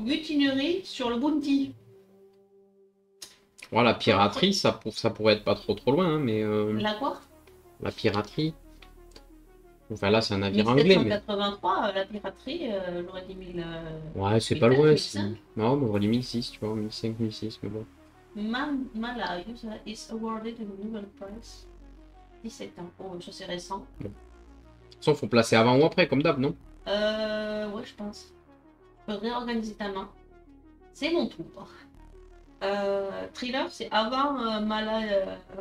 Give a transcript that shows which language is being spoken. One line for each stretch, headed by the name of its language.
French: mutinerie sur le Bounty. Voilà, piraterie, ça pourrait être pas trop loin, hein, mais. La quoi? La piraterie. Enfin, là, c'est un navire anglais. En 1783, mais... la piraterie, j'aurais dit 1000. Ouais, c'est 1004, pas loin, 1005. Si. Non, mais j'aurais dit 1006, tu vois, 1005, 1006, mais bon.
English: Mala user is awarded a Nobel Prize.
French: 17 ans. Oh, ça, c'est récent. Bon. De toute façon, faut placer avant ou après, comme d'hab, non? Ouais, je pense. Je peux réorganiser ta main. C'est mon tour. Thriller, c'est avant Malala.